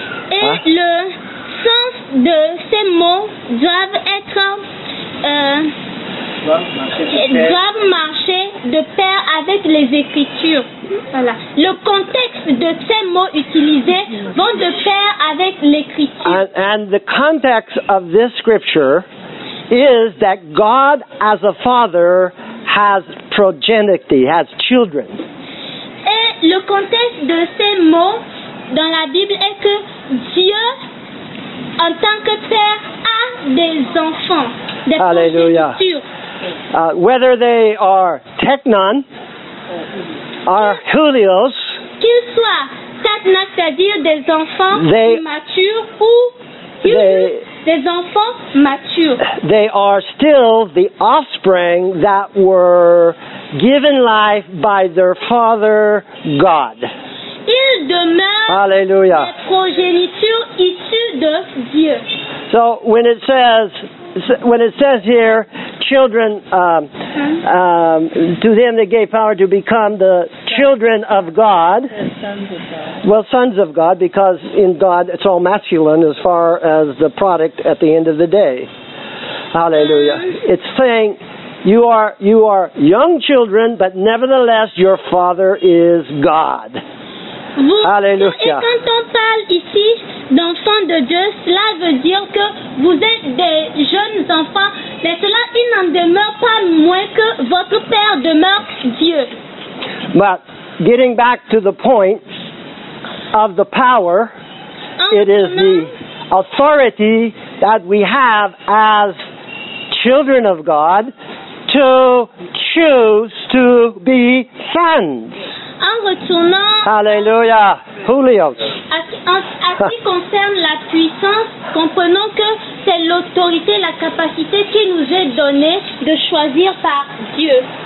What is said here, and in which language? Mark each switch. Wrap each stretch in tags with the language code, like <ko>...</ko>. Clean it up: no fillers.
<fr>Et le sens de ces mots doivent être doivent marcher de pair avec les écritures. Voilà. Le contexte de ces mots utilisés vont de pair avec l'écriture.</fr> <en>And the context of this scripture is that God as a father has progeny, has children.</en> <fr>Et le contexte de ces mots dans la Bible est que Dieu en tant que père a des enfants, des</fr> <en>progénitures. Whether they are technon or hulios,</en> <fr>qu'ils soient technon, c'est-à-dire des enfants matures ou des enfants matures,</fr> <en>they are still the offspring that were given life by their father God.</en> <fr>Ils demeurent Hallelujah. Des progénitures issues de Dieu.</fr> <en>So when it says here, children, to them they gave power to become the children of God. Well, sons of God, because in God it's all masculine as far as the product at the end of the day. Hallelujah. It's saying you are young children, but nevertheless your father is God. Hallelujah.</en> <fr>Et quand on parle ici d'enfants de Dieu, cela veut dire que vous êtes des jeunes enfants, mais cela, il n'en demeure pas moins que votre père demeure Dieu.</fr> <en>But getting back to the point of the power, it is the authority that we have as children of God to choose to be sons.</en> <fr>En retournant Alléluia, Julius. À ce qui concerne la puissance, comprenons que c'est l'autorité, la capacité qui nous est donnée de choisir par Dieu.</fr>